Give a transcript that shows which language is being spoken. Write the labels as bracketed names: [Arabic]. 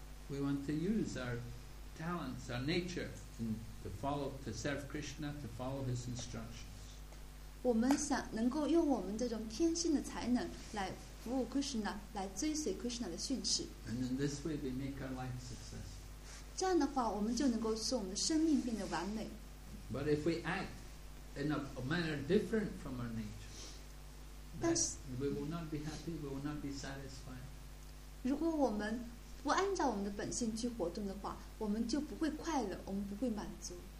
[English] We want to use our talents, our nature, to serve Krishna, to follow His instructions. [Chinese] 我们想能够用我们这种天性的才能来服务 Krishna， 来追随 Krishna 的训斥。 [English] And in this way, we make our life successful. [Chinese] 这样的话，我们就能够使我们的生命变得完美。 [English] But if we act in a manner different from our nature, then we will not be happy. We will not be satisfied. [Chinese] 如果我们不按照我们的本性去活动的话，我们就不会快乐，我们不会满足。